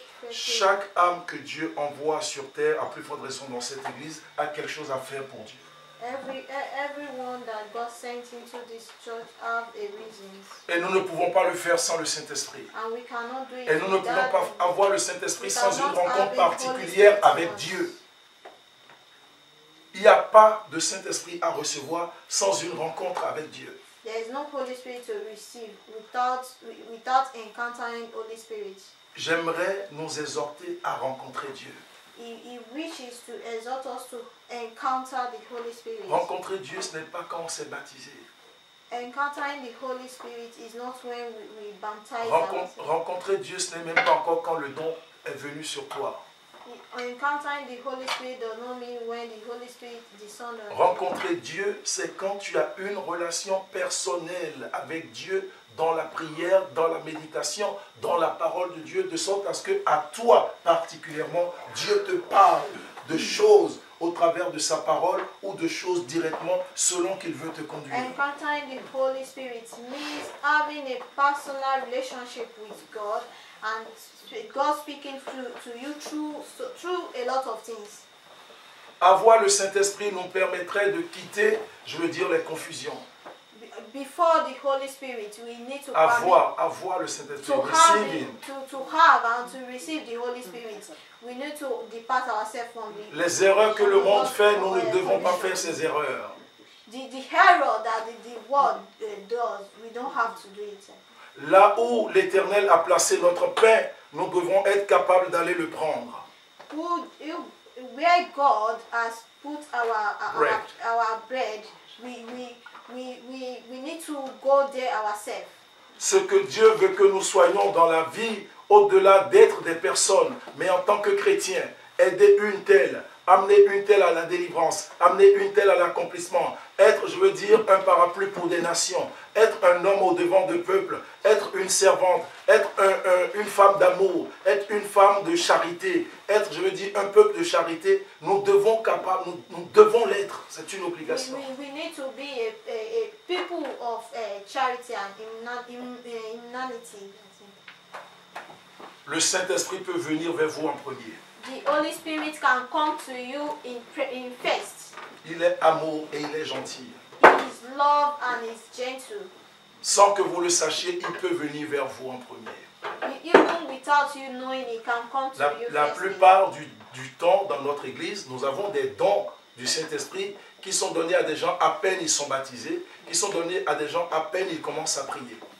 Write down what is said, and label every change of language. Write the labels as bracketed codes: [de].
[fr] Chaque âme que Dieu envoie sur terre, à plus forte raison dans cette église, a quelque chose à faire pour Dieu. [en] Everyone that God sent into this church have a reason. [fr] Et nous ne pouvons pas le faire sans le Saint-Esprit. [en] And we cannot do it. [fr] Et nous ne pouvons pas avoir le Saint-Esprit sans une rencontre particulière avec Dieu. Il n'y a pas de Saint-Esprit à recevoir sans une rencontre avec Dieu. [en] There is no Holy Spirit to receive without encountering Holy Spirit. [fr] J'aimerais nous exhorter à rencontrer Dieu. [en] He wishes to exhort us to encounter the Holy Spirit. [fr] Rencontrer Dieu, ce n'est pas quand on s'est baptisé. [en] Encountering the Holy Spirit is not when we baptize. [fr] Rencontrer Dieu, ce n'est même pas encore quand le don est venu sur toi. [en] Encountering the Holy Spirit does not mean when the Holy Spirit descends. [fr] Rencontrer Dieu, c'est quand tu as une relation personnelle avec Dieu dans la prière, dans la méditation, dans la parole de Dieu, de sorte à ce que à toi particulièrement, Dieu te parle de choses au travers de sa parole ou de choses directement selon qu'il veut te conduire. [en] Encountering the Holy Spirit means having a personal relationship with God and God speaking to you through a lot of things. [fr] Avoir le Saint-Esprit nous permettrait de quitter, je veux dire, les confusions. [en] Before the Holy Spirit, we need to [fr] avoir le Saint-Esprit, [en] to have and to receive the Holy Spirit. We need to depart ourselves from the. [fr] Les erreurs que le monde fait, nous ne devons pas faire ces erreurs. [en] The error that the world does, we don't have to do it. [fr] Là où l'Éternel a placé notre pain, nous devons être capables d'aller le prendre. [en] Where God has put our bread, we need to go there ourselves. [fr] Ce que Dieu veut que nous soyons dans la vie, au-delà d'être des personnes, mais en tant que chrétiens, aider une telle, amener une telle à la délivrance, amener une telle à l'accomplissement, être, je veux dire, un parapluie pour des nations, être un homme au devant de peuple, être une servante, être une femme d'amour, être une femme de charité, être, je veux dire, un peuple de charité, nous devons l'être, c'est une obligation. [en] We need to be a people of charity and humanity. [fr] Le Saint-Esprit peut venir vers vous en premier. [en] The Holy Spirit can come to you in first. [fr] Il est amour et il est gentil. [en] His love and his gentle. [fr] Sans que vous le sachiez, il peut venir vers vous en premier. [en] Even without without you knowing, he can come to [fr] la, [en] you. [fr] La plupart du temps dans notre église, nous avons des dons du Saint-Esprit qui sont donnés à des gens à peine ils sont baptisés, qui sont donnés à des gens à peine ils commencent à prier.